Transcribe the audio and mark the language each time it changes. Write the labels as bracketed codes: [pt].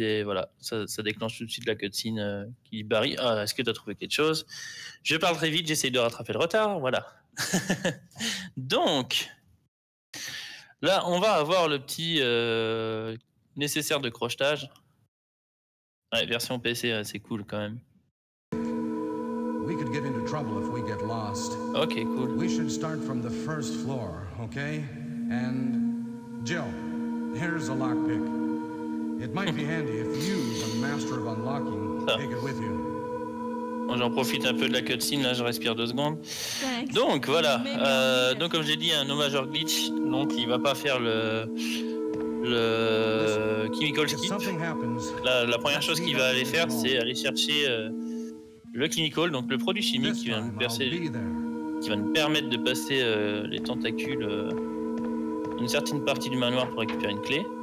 [fr] Et voilà, ça déclenche tout de suite la cutscene qui barille. Ah, est-ce que tu as trouvé quelque chose? Je parle très vite, j'essaye de rattraper le retard. Voilà. Donc, là, on va avoir le petit nécessaire de crochetage. Ouais, version PC, ouais, c'est cool quand même. [en] We could get into trouble if we get lost. Ok, cool. We should start from the first floor, ok? And Jill, here's a lockpick. It might be handy if you, the master of unlocking, take it with you. [fr] Bon, j'en profite un peu de la cutscene, là je respire deux secondes. Donc voilà, donc comme j'ai dit, un hommage au glitch, donc il va pas faire le chemical skip. La première chose qu'il va aller faire, c'est aller chercher le chemical, donc le produit chimique qui va nous percer, qui va nous permettre de passer les tentacules une certaine partie du manoir pour récupérer une clé.